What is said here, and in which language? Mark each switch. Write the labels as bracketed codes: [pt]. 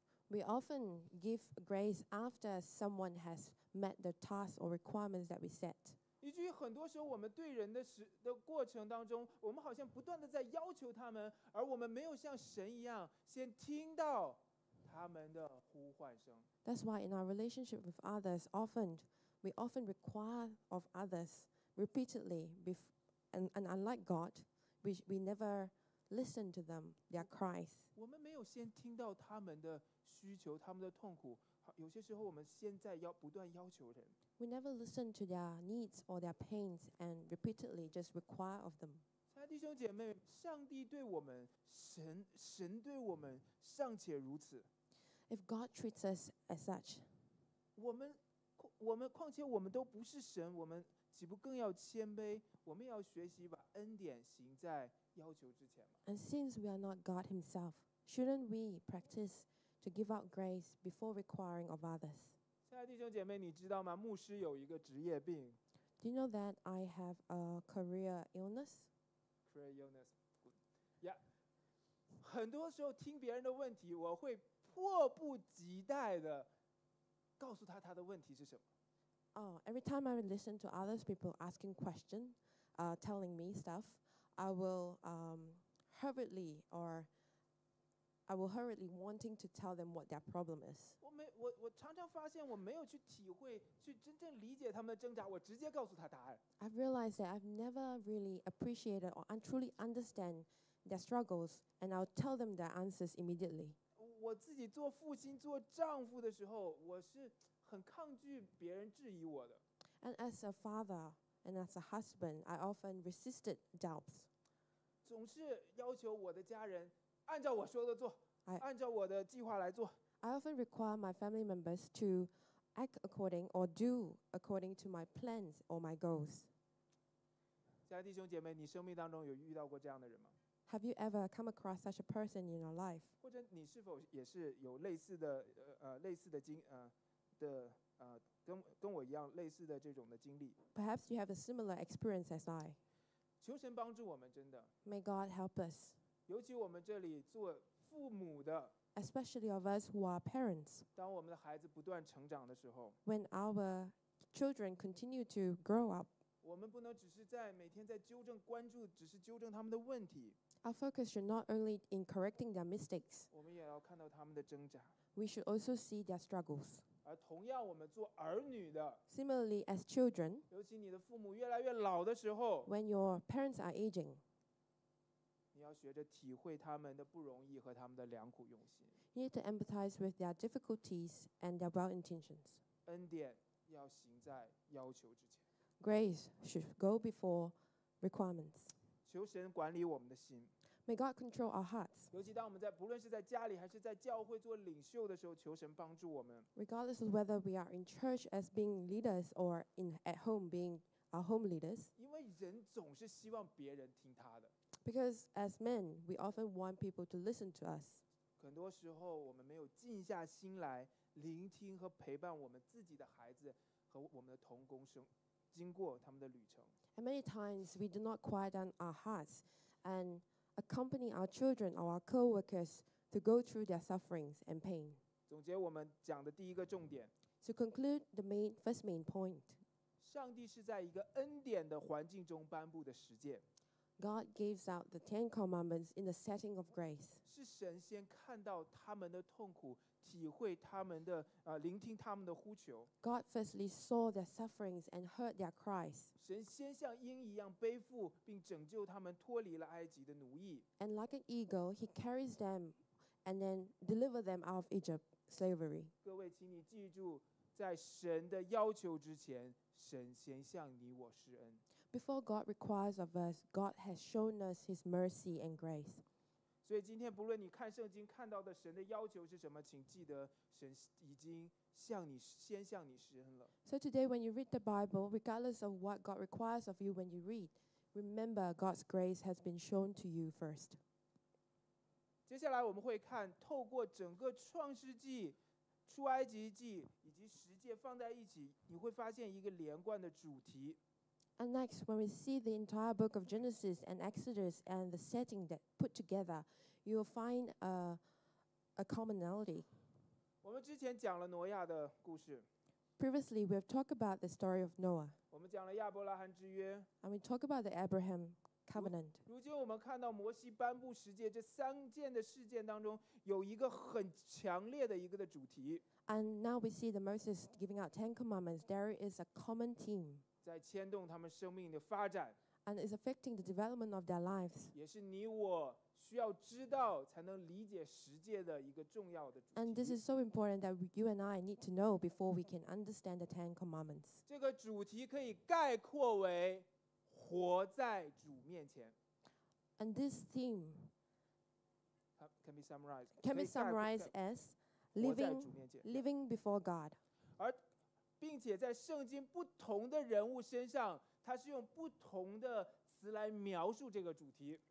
[en] We often give grace after someone has met the task or requirements that we set. [zh] 以至于很多时候我们对人的过程当中，我们好像不断的在要求他们，而我们没有像神一样先听到他们的呼唤声。 [en] That's why in our relationship with others, often we often require of others repeatedly, and unlike God, we never listen to them, their cries. [zh] 我们没有先听到他们的需求，他们的痛苦。有些时候我们现在要不断要求人。 [en] We never listen to their needs or their pains and repeatedly just require of them. [zh] 亲爱的弟兄姐妹，上帝对我们，神对我们尚且如此。 [en] If God treats us as such, [zh] 我们况且我们都不是神，我们岂不更要谦卑？我们要学习把恩典行在要求之前吗？ [en] And since we are not God Himself, shouldn't we practice to give out grace before requiring of others? [zh] 亲爱的弟兄姐妹，你知道吗？牧师有一个职业病。 [en] Do you know that I have a career illness? Career illness. Yeah. [zh] 很多时候听别人的问题，我会迫不及待的告诉他的问题是什么。 [en] Oh, every time I listen to other people asking questions, telling me stuff, I will hurriedly wanting to tell them what their problem is. [zh] 我常常发现我没有去体会，去真正理解他们的挣扎，我直接告诉他答案。 [en] I've realized that I've never really appreciated or truly understand their struggles, and I'll tell them their answers immediately. [zh] 我自己做父亲、做丈夫的时候，我是很抗拒别人质疑我的。 [en] And as a father and as a husband, I often resisted doubts. [zh] 总是要求我的家人按照我说的做，按照我的计划来做。 [en] I often require my family members to act according or do according to my plans or my goals. [zh] 亲爱的弟兄姐妹，你生命当中有遇到过这样的人吗？ [en] Have you ever come across such a person in your life? [zh] 或者你是否也是有类似的类似的经的跟我一样类似的这种的经历？ [en] Perhaps you have a similar experience as I. [zh] 求神帮助我们，真的。 [en] May God help us. [zh] 尤其我们这里做父母的， [en] especially of us who are parents， [zh] 当我们的孩子不断成长的时候， [en] when our children continue to grow up， [zh] 我们不能只是在每天在纠正关注，只是纠正他们的问题。 [en] Our focus should not only in correcting their mistakes， [zh] 我们也要看到他们的挣扎。 [en] We should also see their struggles。 [zh] 而同样我们做儿女的， [en] similarly as children， [zh] 尤其你的父母越来越老的时候， [en] when your parents are aging， [zh] 你要学着体会他们的不容易和他们的良苦用心。 [en] You need to empathize with their difficulties and their well intentions. [zh] 恩典要行在要求之前。 [en] Grace should go before requirements. [zh] 求神管理我们的心。 [en] May God control our hearts. [zh] 尤其当我们在不论是在家里还是在教会做领袖的时候，求神帮助我们。 [en] Regardless of whether we are in church as being leaders or in at home being our home leaders. [zh] 因为人总是希望别人听他的。 [en] Because as men, we often want people to listen to us. [zh] 很多时候我们没有静下心来聆听和陪伴我们自己的孩子和我们的同工生经过他们的旅程。 [en] And many times we do not quiet down our hearts and accompany our children or our co-workers to go through their sufferings and pain. [zh] 总结我们讲的第一个重点。 [en] To conclude the first main point. [zh] 上帝是在一个恩典的环境中颁布的实践。 [en] God gives out the Ten Commandments in the setting of grace. [zh] 是神先看到他们的痛苦，体会他们的，聆听他们的呼求。 [en] God firstly saw their sufferings and heard their cries. [zh] 神先像鹰一样背负并拯救他们脱离了埃及的奴役。 [en] And like an eagle, he carries them and then delivers them out of Egypt slavery. [zh] 各位，请你记住，在神的要求之前。神先向你我施恩。 [en] Before God requires of us, God has shown us His mercy and grace. [zh] 所以今天不论你看圣经看到的神的要求是什么，请记得神已经向你先向你施恩了。 [en] So today, when you read the Bible, regardless of what God requires of you when you read, remember God's grace has been shown to you first. [zh] 接下来我们会看透过整个创世纪。出埃及记以及十诫放在一起，你会发现一个连贯的主题。 [en] And next, when we see the entire book of Genesis and Exodus and the setting that put together, you will find a commonality. [zh] 我们之前讲了挪亚的故事。 [en] Previously, we have talked about the story of Noah. [zh] 我们讲了亚伯拉罕之约。 [en] And we talked about the Abraham covenant. [zh] 如今我们看到摩西颁布十诫这三件的事件当中有一个很强烈的一个的主题。 [en] And now we see the Moses giving out Ten Commandments. There is a common theme. [zh] 在牵动他们生命的发展。 [en] And is affecting the development of their lives. [zh] 也是你我需要知道才能理解十诫的一个重要的主题。 [en] And this is so important that you and I need to know before we can understand the Ten Commandments. [zh] 这个主题可以概括为活在主面前。 [en] And this theme can be summarized as living before God. [zh] 而并且在圣经不同的人物身上，他是用不同的词来描述这个主题。